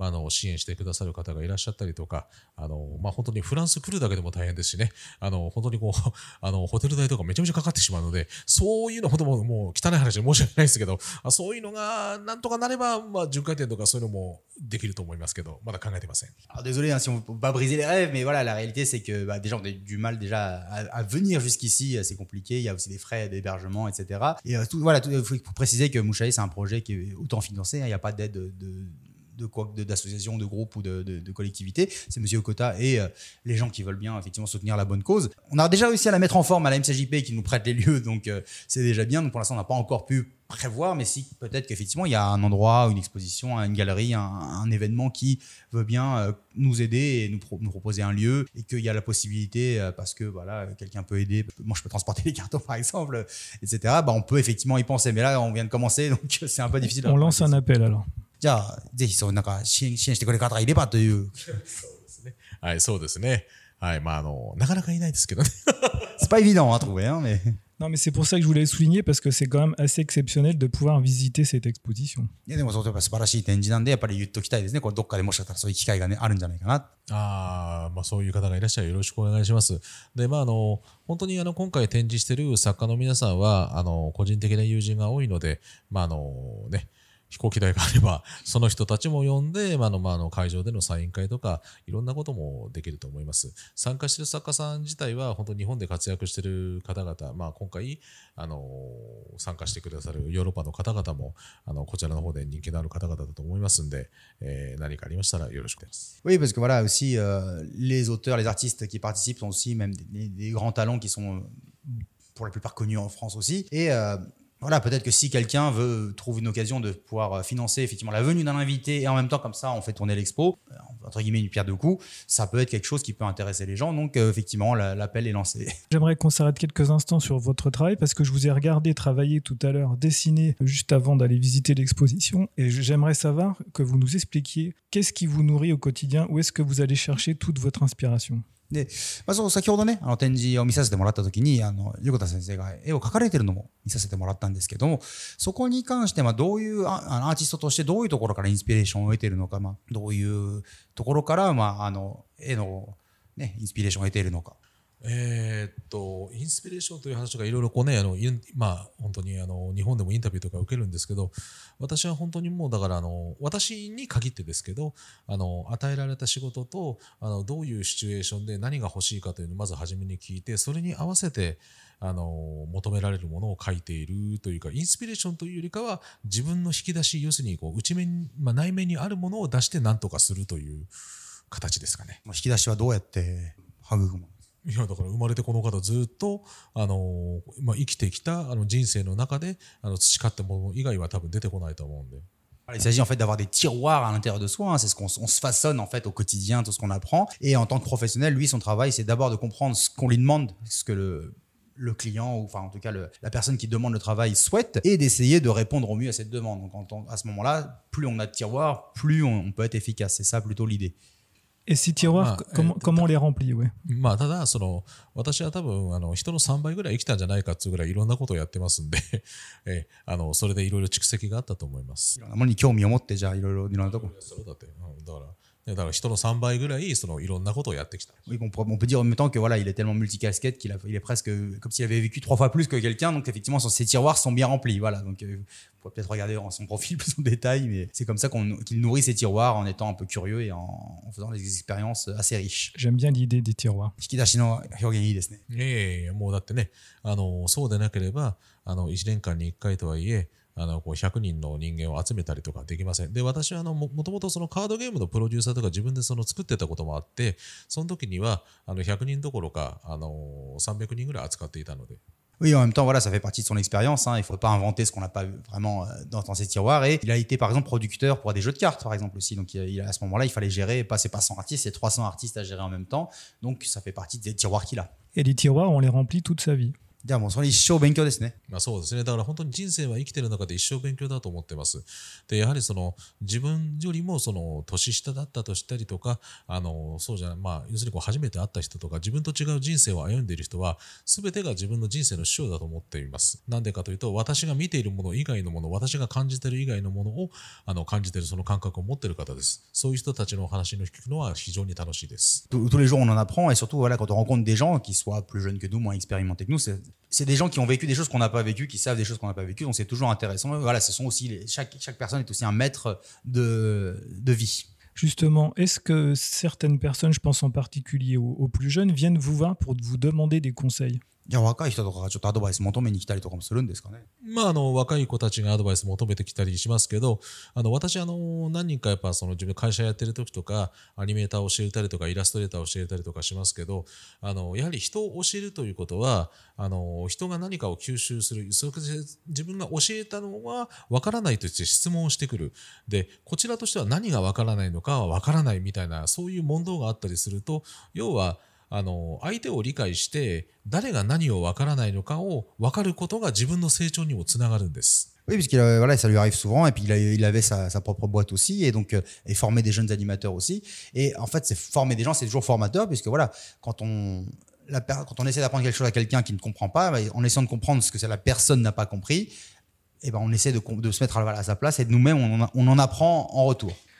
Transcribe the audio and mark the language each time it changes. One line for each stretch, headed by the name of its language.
Japanese: 支援してくださる方がいらっしゃったりとかまあ本当にフランス来るだけでも大変ですしね本当にこうホテル代とかめちゃめちゃかかってしまうのでそういうのほどももう汚い話で申し訳ないですけどそういうのがなんとかなればまあ巡回展とかそういうのもできると思いますけどまだ考えてません。
French: Désolé, si on va briser les rêves, mais voilà, la réalité c'est que déjà on a du mal déjà à venir. Jusqu'ici, c'est compliqué. Il y a aussi des frais d'hébergement, etc. Et tout, voilà, il faut préciser que Mouchaï, c'est un projet qui est autant financé. Hein, il n'y a pas d'aide d'association, de groupe ou de collectivité. C'est M. Okota et les gens qui veulent bien effectivement soutenir la bonne cause. On a déjà réussi à la mettre en forme à la MCJP qui nous prête les lieux, donc c'est déjà bien. Donc pour l'instant, on n'a pas encore pu prévoir, mais si peut-être qu'effectivement, il y a un endroit, une exposition, une galerie, un événement qui veut bien nous aider et nous proposer un lieu et qu'il y a la possibilité, parce que voilà, quelqu'un peut aider, moi je peux transporter les cartons par exemple, etc., bah, on peut effectivement y penser. Mais là, on vient de commencer, donc c'est un peu difficile. On lance un appel alors.
Japanese: じゃあぜひそうなんか支援してくれる方がいればというそうですねはいそうですねはいまあなかなかいないですけどね
French: c'est pas évident à trouver hein mais non mais c'est pour ça que je voulais souligner parce que c'est quand même assez exceptionnel de pouvoir visiter cette exposition
Japanese: いやでもそうやっぱ素晴らしい展示なんでやっぱり言っときたいですねこれどっかでもしかしたらそういう機会が、ね、あるんじゃないかなああまあそういう方がいらっしゃいよろしくお願いしますでまあ本当に今回展示してる作家の皆さんは個人的な友人が多いのでまあね飛行機代があればその人たちも呼んで、まあのまあ、の会場でのサイン会とかいろんなこともできると思います。参加している作家さん自体は本当日本で活躍している方々、まあ、今回参加してくださるヨーロッパの方々もこちらの方で人気のある方々だと思いますので、何かありましたらよろしくお願いします。
French: Oui, parce que voilà aussi les auteurs, les artistes qui participent sont aussi même des grands talents qui sont pour la plupart connus en France aussi. Et voilà, peut-être que si quelqu'un veut trouver une occasion de pouvoir financer effectivement la venue d'un invité et en même temps comme ça on fait tourner l'expo, entre guillemets une pierre deux coups, ça peut être quelque chose qui peut intéresser les gens. Donc effectivement, l'appel est lancé. J'aimerais qu'on s'arrête quelques instants sur votre travail parce que je vous ai regardé travailler tout à l'heure, dessiner juste avant d'aller visiter l'exposition. Et j'aimerais savoir que vous nous expliquiez qu'est-ce qui vous nourrit au quotidien, où est-ce que vous allez chercher toute votre inspiration ?
Japanese: でまず、先ほどね展示を見させてもらったときに横田先生が絵を描かれてるのも見させてもらったんですけども、そこに関してはどういうアーティストとしてどういうところからインスピレーションを得ているのか、まあ、どういうところから、まあ、絵の、ね、インスピレーションを得ているのか、インスピレーションという話がいろいろこうね、まあ、本当に日本でもインタビューとか受けるんですけど、私は本当にもうだから私に限ってですけど、与えられた仕事とどういうシチュエーションで何が欲しいかというのをまず初めに聞いて、それに合わせて求められるものを書いているというか、インスピレーションというよりかは自分の引き出し、要するにこう内面、まあ、内面にあるものを出して何とかするという形ですかね。引き出しはどうやって育むの？いやだから生まれてこの方ずっと生きてきた人生の中で培ったもの以外は多分出てこないと思うんで。
French: Il s'agit en fait d'avoir des tiroirs à l'intérieur de soi. C'est ce qu'on se façonne en fait au quotidien, tout ce qu'on apprend. Et en tant que professionnel, lui, son travail, c'est d'abord de comprendre ce qu'on lui demande, ce que le client ou enfin en tout cas la personne qui demande le travail souhaite, et d'essayer de répondre au mieux à cette demande. Donc à ce moment-là, plus on a de tiroirs, plus on peut être efficace. C'est ça plutôt l'idée. Et ces tiroirs, まあ、comment les remplir? Oui.
Japanese: まあ、ただ、私は多分、人の3倍ぐらい生きたんじゃないかっていうぐらい、いろんなことをやってますんで、それでいろいろ蓄積があったと思います。いろんなものに興味を持って、じゃあ、いろいろいろなところ。そうだって、だから人の3倍ぐらい、いろんなことをやってきた。
French: Oui, on peut dire en même temps que voilà, il est tellement multicasquette qu'il a, il est presque comme s'il avait vécu trois fois plus que quelqu'un, donc effectivement, ses tiroirs sont bien remplis. Voilà, donc on pourrait peut-être regarder dans son profil plus en détail, mais c'est comme ça qu'il nourrit ses tiroirs en étant un peu curieux et en faisant des expériences assez riches. J'aime bien l'idée des tiroirs.
Japanese: 引き出しの表現いいですね。もうだってね、そうでなければ、1年間に1回とはいえ、こう100人の人間を集めたりとかできません。で、私はもともとそのカードゲームのプロデューサーとか自分でその作ってたこともあって、その時には100人どころか300人ぐらい扱っていたので。
French: Oui, en même temps, voilà, ça fait partie de son expérience. Hein. Il ne faut pas inventer ce qu'on n'a pas vraiment dans ses tiroirs. Et il a été, par exemple, producteur pour des jeux de cartes, par exemple, aussi. Donc, à ce moment-là, il fallait gérer, ce n'est pas 100 artistes, c'est 300 artistes à gérer en même temps. Donc, ça fait partie des tiroirs qu'il a. Et les tiroirs, on les remplit toute sa vie.
Japanese: じゃあもうそれ一生勉強ですね。まあそうですね。だから本当に人生は生きてる中で一生勉強だと思ってます。で、やはりその自分よりもその年下だったとしたりとか、そうじゃない、まあ要するにこう初めて会った人とか自分と違う人生を歩んでいる人は全てが自分の人生の師匠だと思っています。なんでかというと私が見ているもの以外のもの、私が感じている以外のものを感じているその感覚を持っている方です。そういう人たちの話を聞くのは非常に楽しいです。
French: Tous les jours on en apprend et surtout voilà quand on rencontre des gens qui soient plus jeunes que nous, moins expérimentés que nous, c'est des gens qui ont vécu des choses qu'on n'a pas vécues, qui savent des choses qu'on n'a pas vécues, donc c'est toujours intéressant. Voilà, ce sont aussi chaque personne est aussi un maître de vie. Justement, est-ce que certaines personnes, je pense en particulier aux plus jeunes, viennent vous voir pour vous demander des conseils ?
Japanese: じゃあ若い人とかがちょっとアドバイス求めに来たりとかもするんですかね。まあ若い子たちがアドバイス求めてきたりしますけど、私何人かやっぱその自分会社やってる時とかアニメーターを教えたりとかイラストレーターを教えたりとかしますけど、やはり人を教えるということは人が何かを吸収する、それで自分が教えたのはわからないとして質問をしてくる、でこちらとしては何がわからないのかはわからないみたいな、そういう問答があったりすると、要は相手を理解して誰が何を分からないのかを分かることが自分の成長にもつながるんです。
French: Oui, puisqu'il avait, voilà, ça lui arrive souvent, et puis il avait sa propre boîte aussi, et donc et former des jeunes animateurs aussi. Et en fait, c'est former des gens, c'est toujours formateur, puisque voilà, quand on essaie d'apprendre quelque chose à quelqu'un qui ne comprend pas, en essayant de comprendre ce que la personne n'a pas compris, et ben on essaie de se mettre à sa place, et nous-mêmes, on en apprend en retour.